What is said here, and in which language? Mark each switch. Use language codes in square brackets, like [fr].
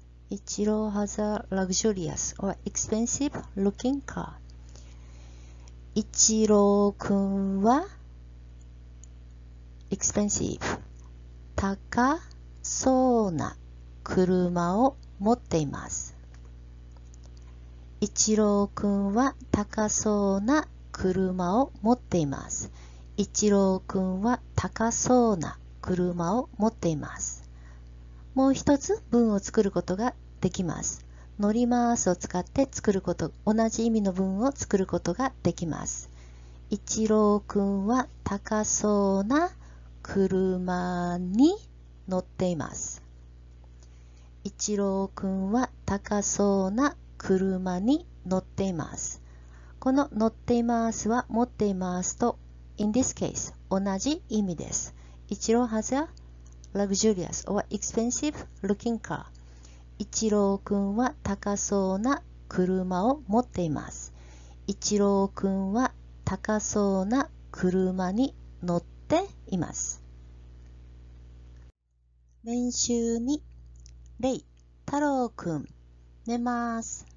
[en] 一郎 has a luxurious or expensive looking car. [ja] 一郎くんは expensive 高そうな車を持っています。一郎くんは高そうな車を持っています。一郎くんは高そうな車を持っています。もう一つ文を作ることができます。乗りますを使って作ること、同じ意味の文を作ることができます。一郎くんは高そうな車に乗っています。一郎くんは高そうな車に乗っています。この乗っていますは持っていますと、 in this case 同じ意味です。 [en] 一郎 has a luxurious or expensive looking car。 [ja] 一郎くんは高そうな車を持っています。一郎くんは高そうな車に乗っています。練習に、レイ、太郎くん、寝ます。